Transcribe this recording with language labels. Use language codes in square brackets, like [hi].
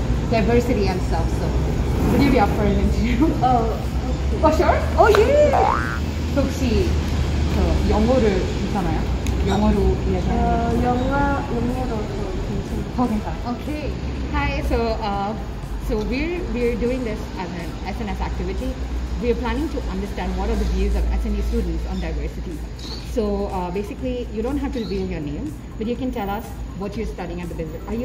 [en] Diversity and stuff, so would you be up for an interview? Oh, okay. Oh, sure? Oh, yeah! [ko] So, 혹시 저 영어를 괜찮아요? 영어로 이해하세요? 영어로 괜찮아요. 더 괜찮아요. [en] Okay. Hi, so we're doing this as an SNS activity. We are planning to understand what are the views of SNU students on diversity. So basically, you don't have to reveal your name, but you can tell us what you're studying at the business.